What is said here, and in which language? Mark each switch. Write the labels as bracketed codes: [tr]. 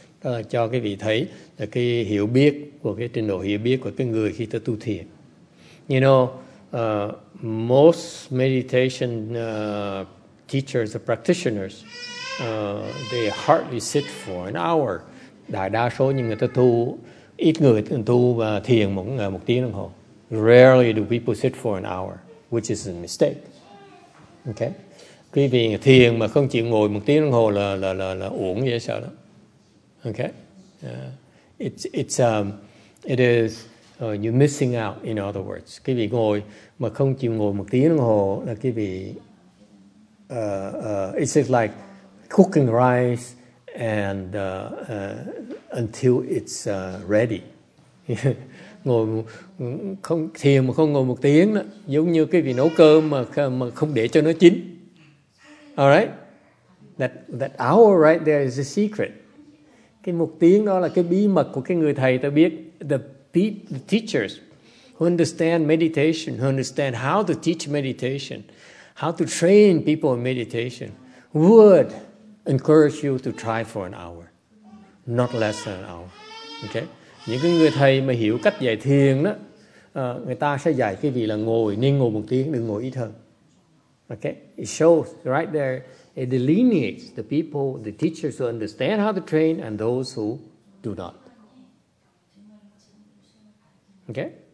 [vi] Đó là cho cái vị thấy là cái hiểu biết của cái trình độ hiểu biết của cái người khi ta tu thiền. [en] You know, most meditation teachers, the practitioners, they hardly sit for an hour. [vi] Đại đa số những người ta tu, ít người tu thiền một tiếng đồng hồ. [en] Rarely do people sit for an hour, which is a mistake. [vi] Okay, quý vị thiền mà không chịu ngồi một tiếng đồng hồ là uổng vậy sao đó. [en] Okay, it is you're missing out, in other words. [vi] Quý vị ngồi mà không chịu ngồi một tiếng đồng hồ là quý vị [en] it's just like cooking rice and until it's ready. [vi] Ngồi không thiền mà không ngồi một tiếng đó, giống như cái vị nấu cơm mà không để cho nó chín. [en] All right, that hour right there is the secret. [vi] Cái một tiếng đó là cái bí mật của cái người thầy ta biết. [en] The teachers who understand meditation, who understand how to teach meditation, how to train people in meditation, would encourage you to try for an hour, not less than an hour. Okay. [vi] Những cái người thầy mà hiểu cách dạy thiền đó, người ta sẽ dạy cái gì là ngồi, nên ngồi một tiếng, đừng ngồi ít hơn. [en] Okay? It shows right there, it delineates the people, the teachers who understand how to train and those who do not. Okay?